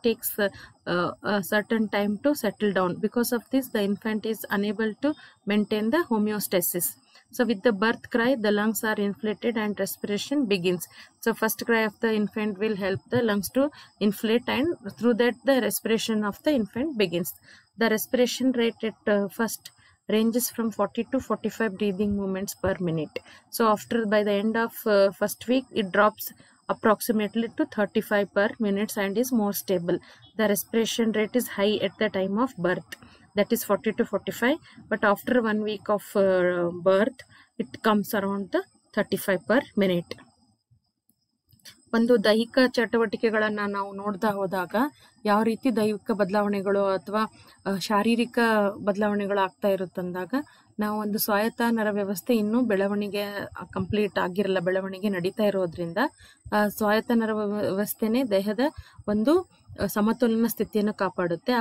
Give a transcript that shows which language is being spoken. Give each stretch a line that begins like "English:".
English: It takes certain time to settle down. Because of this the infant is unable to maintain the homeostasis. So with the birth cry the lungs are inflated and respiration begins. So first cry of the infant will help the lungs to inflate and through that the respiration of the infant begins. The respiration rate at first ranges from 40 to 45 breathing movements per minute. So after, by the end of first week, it drops approximately to 35 per minutes and is more stable. The respiration rate is high at the time of birth, that is 40 to 45, but after 1 week of birth, it comes around the 35 per minute.
Kannada: ಒಂದು ದೈಹಿಕ ಚಟುವಟಿಕೆಗಳನ್ನು ನಾವು ನೋಡ್ತಾ ಹೋದಾಗ ಯಾವ ರೀತಿ ದೈಹಿಕ ಬದಲಾವಣೆಗಳು ಅಥವಾ ಶಾರೀರಿಕ ಬದಲಾವಣೆಗಳು ಆಗ್ತಾ ಇರುತ್ತಂದಾಗ ನಾವು ಒಂದು ಸ್ವಾಯತ್ತ ನರ ವ್ಯವಸ್ಥೆ ಇನ್ನೂ ಬೆಳವಣಿಗೆ ಕಂಪ್ಲೀಟ್ ಆಗಿರಲ್ಲ, ಬೆಳವಣಿಗೆ ನಡೀತಾ ಇರೋದ್ರಿಂದ ಸ್ವಾಯತ್ತ ನರ ವ್ಯವಸ್ಥೆನೇ ದೇಹದ ಒಂದು ಸಮತೋಲನ ಸ್ಥಿತಿಯನ್ನು ಕಾಪಾಡುತ್ತೆ.